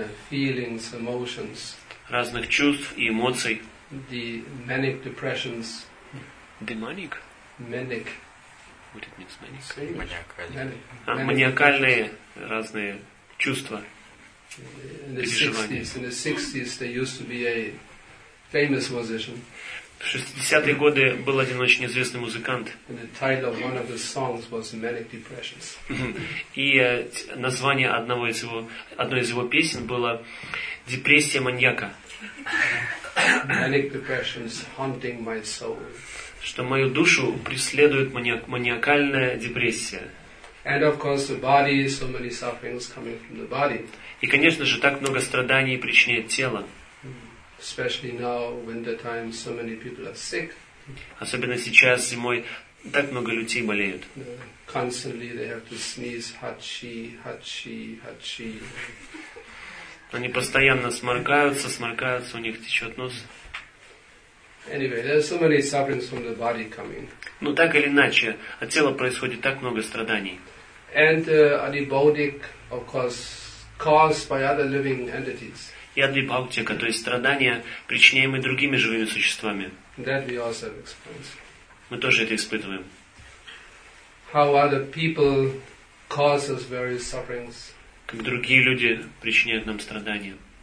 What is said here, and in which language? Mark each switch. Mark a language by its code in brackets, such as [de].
[en] Feelings, emotions. [ru] Разных чувств и эмоций. [en] The manic depressions. Demonic? Manic. What it means, manic? [ru] Маниакальные. Маниакальные разные чувства. [en] In the 60s, there used to be a famous musician. [ru] В 60-е годы был один очень известный музыкант. [en] And the title of one of his songs was Manic Depressions. [ru] И название одной из его песен было «Депрессия маньяка». [en] Manic depressions haunting my soul. [ru] Что мою душу преследует маниакальная депрессия. [en] And of course the body, so many sufferings coming from the body. [ru] И, конечно же, так много страданий причиняет тело. [en] Especially now, winter time, so many people are sick. [ru] Особенно сейчас, зимой, так много людей болеют. [en] Constantly they have to sneeze, hachi, hachi, hachi. [ru] Они постоянно сморкаются, у них течет нос. [en] Anyway, there are so many sufferings from the body coming. [ru] Ну, так или иначе, от тела происходит так много страданий. [en] And adibhautik, of course, caused by other living entities. [ru] И адибхаутика, то есть страдания, причиняемые другими живыми существами. [en] That we also have experienced. [ru] Мы тоже это испытываем. [en] How other people cause us various sufferings. [ru] Как другие люди причиняют нам страдания.